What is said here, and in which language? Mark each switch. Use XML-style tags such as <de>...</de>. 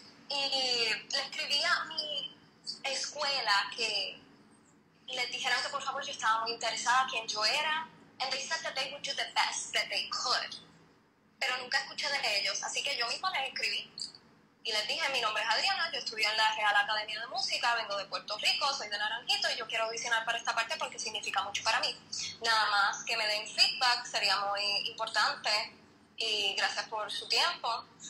<es>Y le escribí a mi escuela que le dijeran que por favor yo estaba muy interesada quién yo era.</es> <en>And they said that they would do the best that they could.</en> <es>Pero nunca escuché de ellos, así que yo misma les escribí. Y les dije, mi nombre es Adriana, yo estudio en la Real Academia de Música, vengo de Puerto Rico, soy de Naranjito y yo quiero audicionar para esta parte porque significa mucho para mí. Nada más que me den feedback, sería muy importante y gracias por su tiempo.</es>